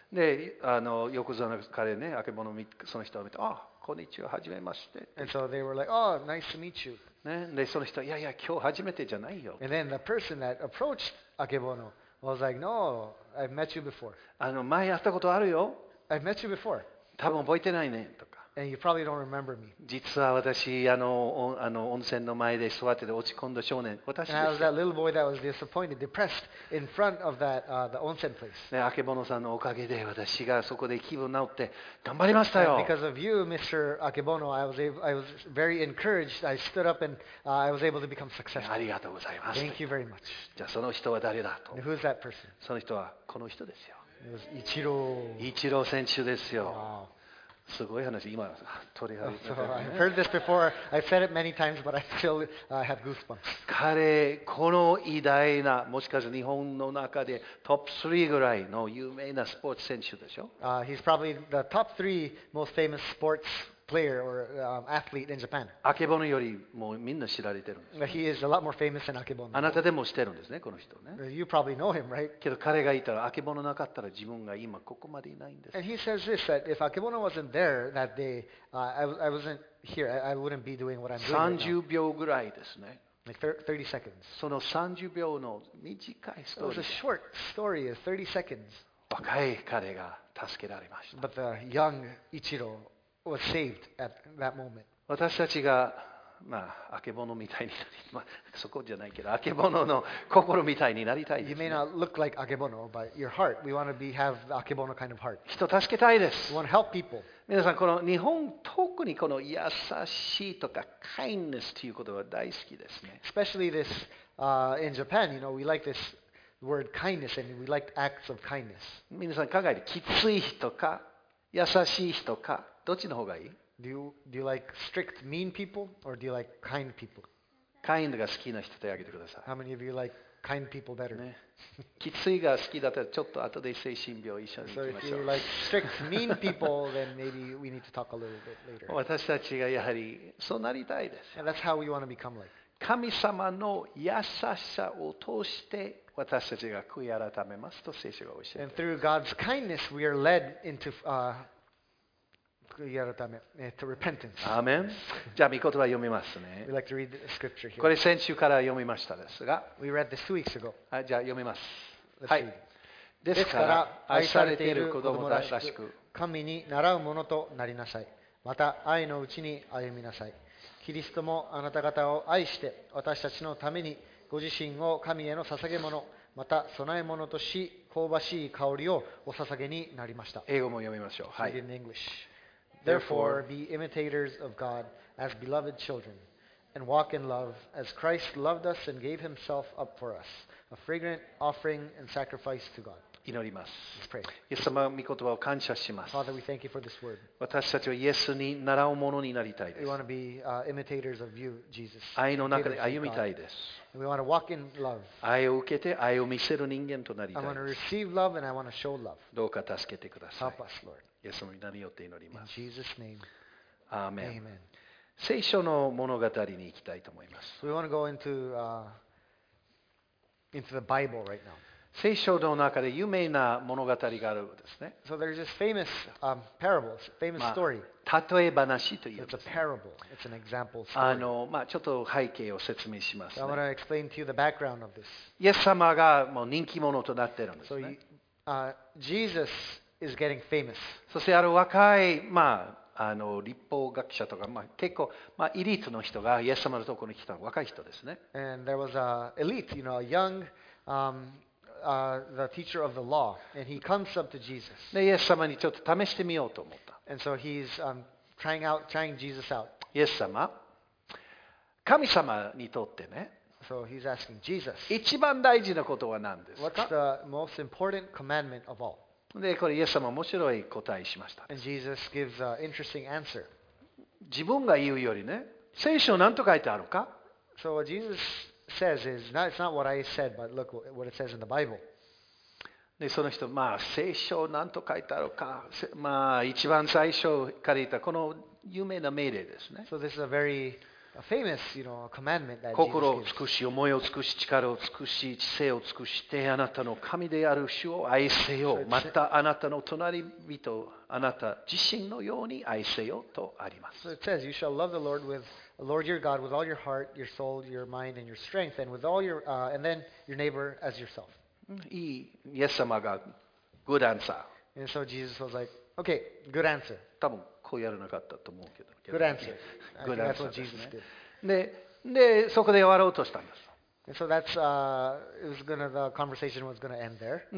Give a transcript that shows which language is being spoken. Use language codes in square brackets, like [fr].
[ja] で、あの横綱の彼ね、あけぼのその人を見て、あ、oh, こんにちは、はじめまして。 [en] And so they were like, oh, nice to meet you. [ja] ね、でその人、いやいや、今日初めてじゃないよ。 [en] And then the person that approached Akebono was like, no, I've met you before. [ja] あの前会ったことあるよ。 [en] I've met you before. [ja] 多分覚えてないねとか。 [en] And you probably don't remember me. [ja] 実は私あの温泉の前で座ってて落ち込んだ少年私です。 [en] And I was that little boy that was disappointed, depressed in front of that the onsen place. [ja] ね、アケボノさんのおかげで私がそこで気分直って頑張りましたよ。 [en] And because of you, Mr. Akebono, I was very encouraged. I stood up and I was able to become successful. [ja] ありがとうございます。 [en] Thank you very much. [ja] じゃあその人は誰だと。 [en] And who's that person? [ja] その人はこの人ですよ。 [en] It was Ichiro. [ja] Ichiro 選手ですよ。 [en] Wow. [ja] すごい話、今取り上げ [en] た。I've heard this before. I've said it many times, but I still have goosebumps. [ja] 彼、この偉大な、もしかしたら日本の中でトップ3ぐらいの有名なスポーツ選手でしょ。 [en] He's probably the top three most famous sports player or athlete in Japan. [ja] アケボノよりもみんな知られてるんです、ね。 [en] He is a lot more famous than アケボノ。 [ja] あなたでも知ってるんですね、この人ね。 [en] You probably know him, right? [ja] けど彼がいたら、アケボノなかったら自分が今ここまでいないんです。 [en] And he says this, that if アケボノ wasn't there that day, I wasn't here, I wouldn't be doing what I'm doing right now. [ja] 30秒ぐらいですね。 [en] Like 30 seconds. [ja] その30秒の短いストーリー。 [en] It was a short story of 30 seconds. [ja] 若い彼が助けられました。 [en] But the young Ichiro,was saved at that moment. [ja] 私たちがまあ曙みたいになり、まあ、そこじゃないけど曙の心みたいになりたいです、ね。 [en] You may not look like 曙, but your heart. We want to be have 曙 kind of heart. [ja] 人助けたいです。 [en] We want to help people. [ja] 皆さんこの日本特にこの優しいとか kindness ということは大好きですね。 [en] Especially this in Japan, you know, we like this word kindness and we like acts of kindness. [ja] 皆さん考えてきつい人か優しい人か。どっちの方がいい? [en] Do you like strict mean people or do you like kind people? [ja] Kind が好きな人手を挙げてください。 [en] How many of you like kind people better? [ja] ね。きついが好きだったらちょっと後で精神病一緒に行きましょう。 [en] So if you like strict mean people, then maybe we need to talk a little bit later. [ja] 私たちがやはりそうなりたいです。 [en] And that's how we want to become like. [ja] 神様の優しさを通して私たちが悔い改めますと聖書が教えています。 [en] And through God's kindness, we are led into [ja] やるため、 [en] repentance. [ja] アーメン。じゃあ御言葉読みますね。 [en] We like to read the scripture here. [ja] これ先週から読みましたですが。 [en] We read this 2 weeks ago. [ja] はい、じゃあ読みます。 [en] Let's read. [ja] はい。ですから愛されている子供らしく、神に習うものとなりなさい。また愛のうちに歩みなさい。キリストもあなた方を愛して、私たちのためにご自身を神への捧げ物、また供え物とし、香ばしい香りをお捧げになりました。英語も読みましょう。はい。 [en] In English. Therefore, be imitators of God as beloved children, and walk in love as Christ loved us and gave himself up for us, a fragrant offering and sacrifice to God. [ja] 祈ります。 [en] Let's pray. [ja] イエス様、御言葉を感謝します。 [en] Father, we thank you for this word. [ja] 私たちはイエスに習うものになりたいです。 [en] We want to be imitators of you, Jesus. [ja] 愛の中で歩みたいです。 [en] And we want to walk in love. [ja] 愛を受けて愛を見せる人間となりたいです。 [en] I want to receive love and I want to show love. [ja] どうか助けてください。 [en] Help us, Lord. [ja] イエス様によって祈ります。 [en] In Jesus' name. [ja] アーメン。 [en] Amen. [ja] 聖書の物語に行きたいと思います。 [en] We want to go into the Bible right now. [ja] 聖書の中で有名な物語があるんですね。 [en] So there's this famous parable, famous story.、 [ja] まあ、例え話というです、 [en] ね。It's a parable. It's an example story. [ja] まあ、ちょっと背景を説明しますね。 [en] I want to explain to you the background of this. [ja] イエス様がもう人気者となっているんですね。 [en] So, Jesus. Is getting famous. [ja] そしてある若い、まあ、立法学者とか、まあ、結構、まあ、エリートの人がイエス様のところに来た若い人ですね。 [en] And there was a elite, you know, a young, the teacher of the law, and he comes up to Jesus. [ja] で、イエス様にちょっと試してみようと思った。 [en] And so he's trying Jesus out. [ja] イエス様、神様にとってね。 [en] So he's asking Jesus. [ja] 一番大事なことは何ですか? [en] What's the most important commandment of all? [ja] でこれイエス様面白い答えしました。 [en] And Jesus gives an interesting answer. [ja] 自分が言うよりね、聖書何と書いてあるか。 [en] So what Jesus says is not, it's not what I said, but look what it says in the Bible. [ja] でその人、まあ聖書何と書いてあるか、まあ一番最初から言ったこの有名な命令ですね。 [en] So this is a very famous, you know, commandment that Jesus gives. [ja] 心を尽くし、思いを尽くし、力を尽くし、知性を尽くしてあなたの神である主を愛せよ。またあなたの隣人、あなた自身のように愛せよとあります。 [en] So it says, you shall love the Lord with the Lord your God with all your heart, your soul, your mind, and your strength, and with all your and then your neighbor as yourself. [ja] いい、イエス様が [en] good answer. And so Jesus was like, okay, good answer. [ja] 多分。こうやらなかったと思うけど。 [en] Good answer. Good answer. That's what Jesus did. [ja] で、そこで終わろうとしたんです。 [en] And so that's it was gonna the conversation was gonna end there.